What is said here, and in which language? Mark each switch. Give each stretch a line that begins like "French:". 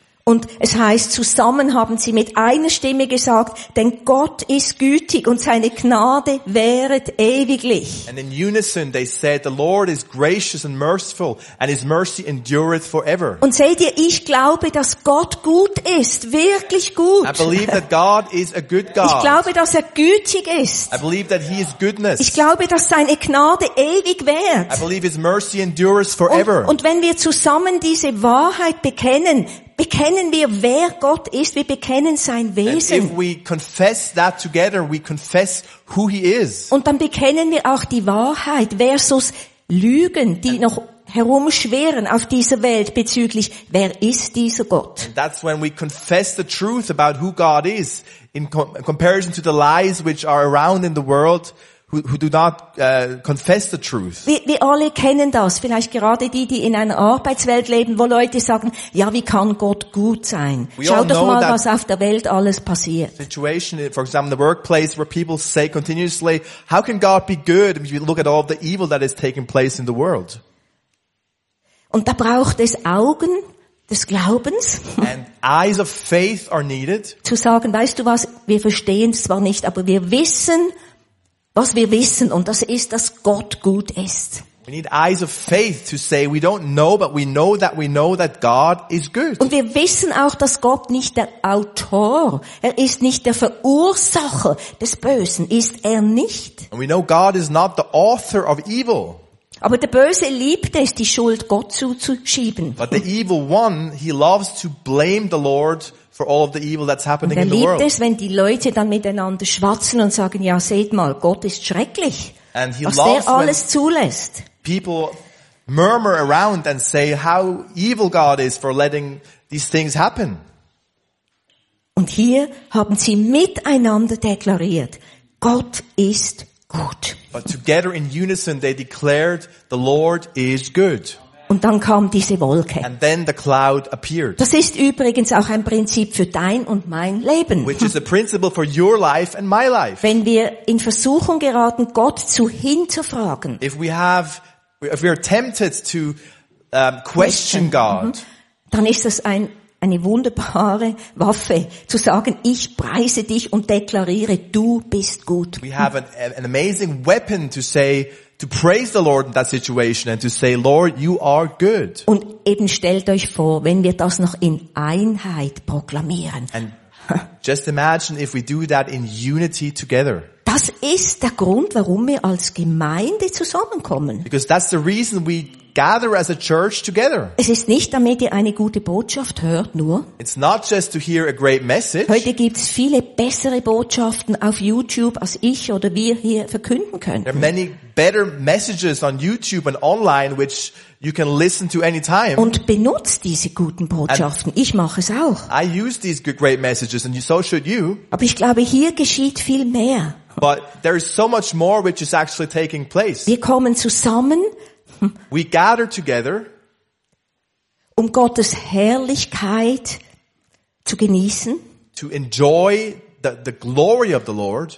German: Und es heißt, zusammen haben sie mit einer Stimme gesagt, denn Gott ist gütig und seine Gnade währet ewiglich.
English: And in unison they said, the Lord is gracious and merciful and his mercy endureth forever.
German: Und seht ihr, ich glaube, dass Gott gut ist, wirklich gut.
English: I believe that God is a good God.
German: Ich glaube, dass er gütig ist.
English: I believe that he is goodness.
German: Ich glaube, dass seine Gnade ewig währt.
English: I believe his mercy endures forever.
German: Und wenn wir zusammen diese Wahrheit bekennen, bekennen wir, wer Gott ist, wir bekennen sein Wesen.
English: And if we confess that together, we confess who he is.
German: Und dann bekennen wir auch die Wahrheit versus Lügen, die noch herumschwirren auf dieser Welt bezüglich, wer ist dieser Gott?
English: And that's when we confess the truth about who God is in comparison to the lies which are around in the world. Who do not confess the truth.
German: Wir alle kennen das, vielleicht gerade die, die in einer Arbeitswelt leben, wo Leute sagen, ja, wie kann Gott gut sein? Schau doch mal, was auf der Welt alles passiert.
English: Situation, for example, in the workplace where people say continuously, how can God be good if you look at all the evil that is taking place in the world?
German: Und da braucht es Augen des Glaubens.
English: And eyes of faith are needed.
German: Zu sagen, weißt du was, wir verstehen es zwar nicht, aber wir wissen, was wir wissen, und das ist, dass Gott gut ist.
English: We need eyes of faith to say we don't know, but we know that God is good.
German: Und wir wissen auch, dass Gott nicht der Autor, er ist nicht der Verursacher des Bösen, ist er nicht.
English: And we know God is not the author of evil.
German: Aber der Böse liebt es, die Schuld Gott zuzuschieben.
English: But the evil one, he loves to blame the Lord for all of the evil that's happening in the world. Er
German: liebt es, wenn die Leute dann miteinander schwatzen und sagen, ja, seht mal, Gott ist schrecklich.
English: And he was loves
German: der alles zulässt.
English: People murmur around and say how evil God is for letting these things happen.
German: Und hier haben sie miteinander deklariert, Gott ist gut.
English: But together in unison they declared the Lord is good.
German: Und dann kam diese Wolke.
English: And then the cloud appeared.
German: Das ist übrigens auch ein Prinzip für dein und mein Leben.
English: Which is a principle for your life and my life.
German: Wenn wir in Versuchung geraten, Gott zu hinterfragen.
English: If we are tempted to question God.
German: Dann ist das eine wunderbare Waffe, zu sagen, ich preise dich und deklariere, du bist gut.
English: We have an amazing weapon to say, to praise the Lord in that situation and to say, Lord, you are good.
German: Und eben stellt euch vor, wenn wir das noch in Einheit proklamieren.
English: And just imagine if we do that in unity together.
German: Das ist der Grund, warum wir als Gemeinde zusammenkommen.
English: Because that's the reason we gather as a church together.
German: Es ist nicht, damit ihr eine gute Botschaft hört, nur.
English: It's not just to hear a great message.
German: Heute gibt's viele bessere Botschaften auf YouTube, als ich oder wir hier verkünden können.
English: There are many better messages on YouTube and online, which you can listen to anytime.
German: Und benutzt diese guten Botschaften. And ich mache es auch.
English: I use these great messages, and so should you.
German: Aber ich glaube, hier geschieht viel mehr.
English: But there is so much more which is actually taking place.
German: Wir kommen zusammen.
English: We gather together,
German: um Gottes Herrlichkeit zu genießen,
English: to enjoy the glory of the Lord,